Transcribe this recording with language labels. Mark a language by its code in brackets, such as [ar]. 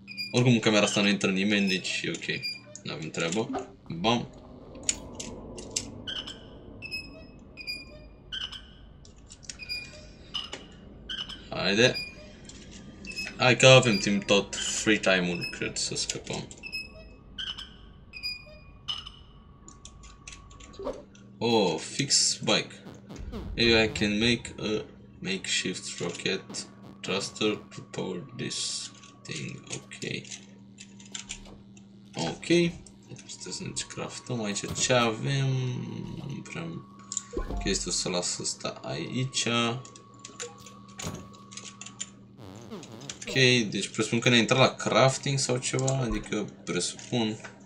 [ro] Oricum, în camera asta nu intră nimeni, deci e ok. N-avem treabă. Bam. Haide. Hai că avem timp tot free time-ul, cred, să scăpăm. [en] Oh, fixed bike. Maybe I can make a makeshift rocket thruster to power this thing. Okay. Okay. [ro] Este sunt craftăm aici ce avem. Am prea chestia să las asta aici. Ok, deci presupun că ne-a intrat la crafting sau ceva, adică presupun.